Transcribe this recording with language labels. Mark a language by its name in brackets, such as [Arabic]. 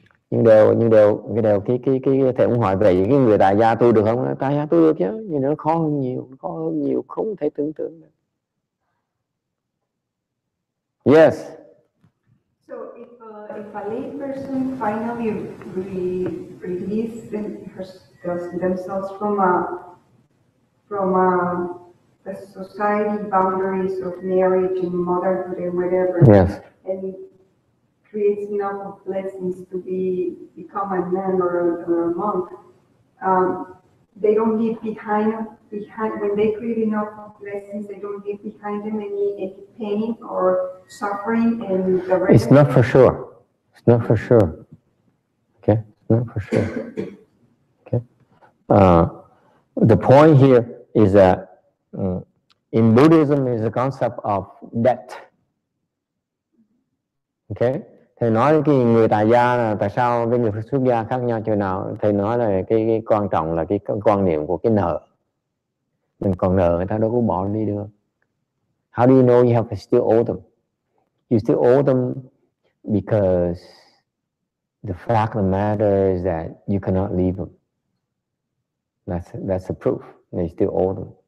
[Vietnamese] Nhưng đều cái đều cái thầy cũng hỏi về cái người tại gia tu được không? Tại gia tu được chứ, nhưng nó khó hơn nhiều, không thể tưởng tượng được. [English] Yes. So if a lay person finally release themselves from the society boundaries of marriage and motherhood and whatever, yes, and creates enough of blessings to become a nun or a monk, they don't leave behind when they create enough of blessings, they don't leave behind them any pain or suffering and the rest. It's not for sure. It's not for sure. Okay? Not for sure. Okay. The point here is that in Buddhism is a concept of debt. Okay? [Vietnamese] Thầy nói cái người tại gia là tại sao với người xuất gia khác nhau chỗ nào? Thầy nói là cái quan trọng là cái quan niệm của cái nợ. Mình còn nợ người ta đâu có bỏ đi được. [English] How do you know you have to still owe them? You still owe them because the fact of the matter is that you cannot leave them. That's the proof. They still owe them.